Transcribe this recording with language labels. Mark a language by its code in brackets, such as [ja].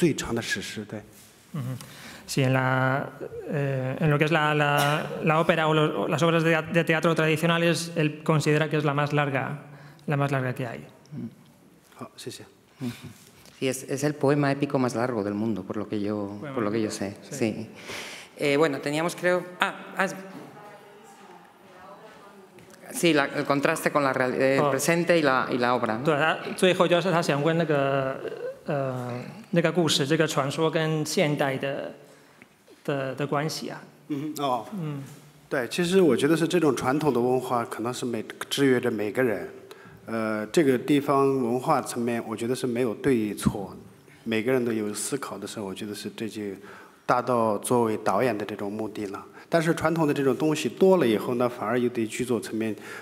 [zh] 所以它的是用藏文记录的，所以传播的原因而卡在那个地方。但是好多人都不知道。但是我据我了解，应该是传统的这种局部里面，应该是最长的史诗。对。嗯， sí, [es] en lo que es la ópera o las obras de teatro tradicionales, él considera que es la más larga que hay. [zh] 好，谢谢。 [es] Sí, es el poema épico más largo del mundo, por lo que yo sé. Sí. Bueno, teníamos creo... Sí, el contraste con la realidad, el presente y la obra. ¿Tú has dicho que es la obra? [zh] 达到作为导演的这种目的了，但是传统的这种东西多了以后呢，反而又对剧作层面